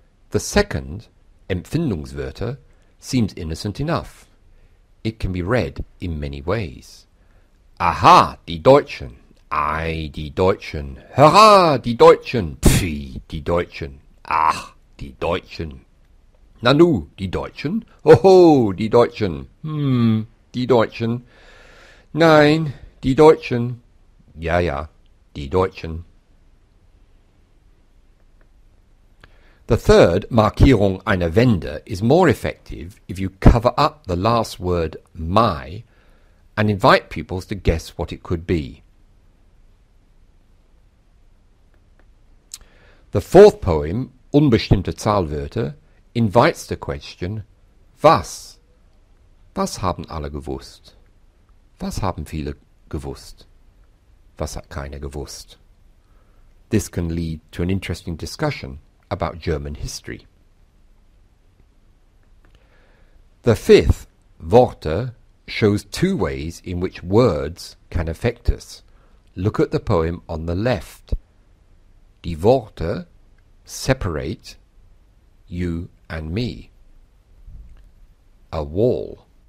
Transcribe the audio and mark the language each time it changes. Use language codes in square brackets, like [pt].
[en] The second, Empfindungswörter, seems innocent enough. It can be read in many ways. [de] Aha, die Deutschen, ei, die Deutschen, hurra, die Deutschen, pfi, die Deutschen, ach, die Deutschen. Nanu, die Deutschen? Hoho, die Deutschen. Die Deutschen. Nein, die Deutschen. Ja, ja, die Deutschen. [en] The third, Markierung einer Wende, is more effective if you cover up the last word, my, and invite pupils to guess what it could be. The fourth poem, Unbestimmte Zahlwörter, invites the question, [de] was? Was haben alle gewusst? Was haben viele gewusst? Was hat keiner gewusst? [en] This can lead to an interesting discussion about German history. The fifth, Worte, shows two ways in which words can affect us. Look at the poem on the left. [de] Die Worte [en] separate you and me. A wall.